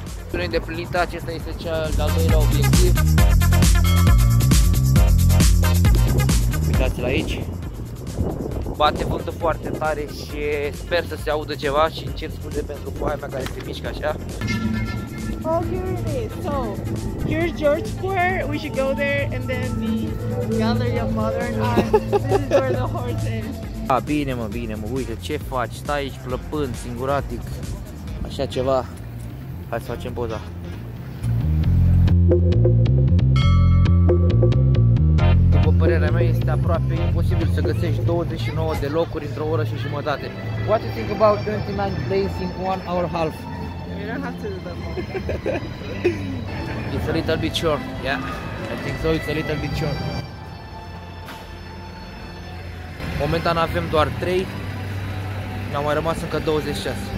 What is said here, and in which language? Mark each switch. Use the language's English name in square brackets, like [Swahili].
[Romanian] Sunt îndeplinită, acesta este cel de-al doilea obiectiv. Uitați-l aici. Bate vântul foarte tare și sper să se audă ceva și încerc scuze pentru foaia mea care se mișcă așa. [English] Oh, here it is. So, here's George Square. We should go there and then the gallery of modern art. This is where the horse is. [Romanian] A, bine, mă, bine, mă. Uite, ce faci? Stai aici plăpând, singuratic. Așa ceva. Hai să facem poza. După părerea mea, este aproape imposibil să găsești 29 de locuri într-o oră și jumătate. [English] What do you think about 29 places in 1.5 hours? You don't have to do that more. It's a little bit short, yeah. I think so, it's a little bit short. [Romanian] Momentan avem doar 3. Ne-au mai rămas încă 26.